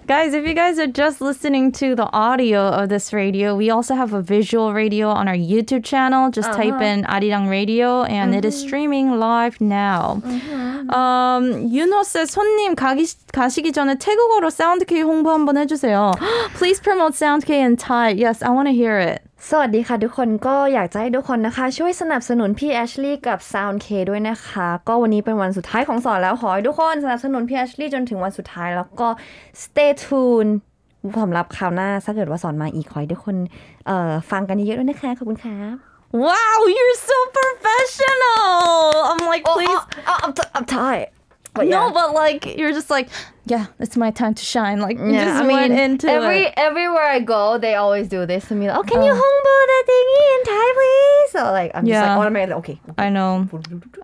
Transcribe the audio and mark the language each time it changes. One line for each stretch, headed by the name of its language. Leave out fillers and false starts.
English: Guys, if you guys are just listening to the audio of this radio, we also have a visual radio on our YouTube channel. Just uh-huh. type in Arirang Radio, and mm-hmm. it is streaming live now. Mm-hmm. Yuno says,
Korean: 손님, 가시기 전에 태국어로 사운드K 홍보 한번 해주세요.
English: Please promote SoundK in Thai. Yes, I want to hear it.
Thai: สวัสดีค่ะทุกคนก็อยากจะให้ทุกคนนะคะช่วยสนับสนุนพี่แอชลี่กับ Sound K ด้วยนะคะก็วันนี้เป็นวันสุดท้ายของสอนแล้วขอให้ทุกคนสนับสนุนพี่แอชลี่จนถึงวันสุดท้ายแล้วก็
English: Stay tuned
Thai: สำหรับคราวหน้าถ้าเกิดว่าสอนมาอีกขอให้ทุกคนฟังกันเยอะด้วยนะคะขอบคุณครับ
English: Wow you're so professional I'm like please I'm Thai but yeah. No but like you're just like yeah it's my time to shine like you yeah, just I mean, went into every, it everywhere I go they always do this to me like, oh can you hongbo the thingy in Thai please so like I'm yeah. just like automatically okay, okay